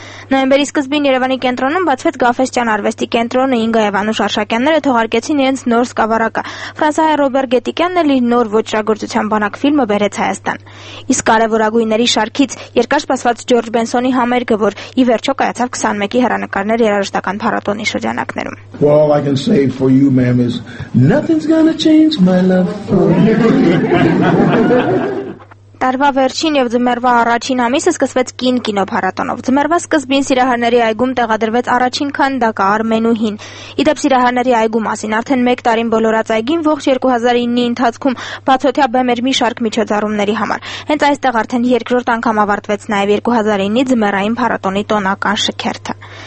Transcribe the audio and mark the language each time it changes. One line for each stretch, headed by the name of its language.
Armenian: Նոյեմբերի սկզբին Երևանի կենտրոնում բացվեց Գաֆեսճան արվեստի կենտրոնը, Ինգա և Անուշ Արշակյանները թողարկեցին իրենց նոր սկավառակը։ Ֆրանսահայ Ռոբերտ Գետիկյանն էլ իր նոր ոճրագործության բանակ ֆիլմը բերեց Հայաստան։ Իսկ կարևորագույնների շարքից երկար սպասված Ջորջ Բենսոնի համերգը, որ ի վերջո կայացավ 21-ի հեռանկարներ երաժշտական փառատոնի շրջանակներում։
English: All I can say for you, ma'am, is nothing's gonna change my love for you.
Armenian: Տարվա վերջին եւ ձմեռվա առաջին ամիսը սկսվեց Կին կինոփառատոնով։ Ձմեռվա սկզբին Սիրահարների այգում տեղադրվեց առաջին քանդակը Արմենուհին։ Իդեպ Սիրահարների այգու մասին արդեն 1 տարին բոլորած այգին ողջ 2009-ի ընթացքում բացօթյա բեմ էր մի շարք միջոցառումների համար։ Հենց այստեղ արդեն երկրորդ անգամ ավարտվեց նաեւ 2009-ի ձմեռային փառատոնի տոնական շքերթը։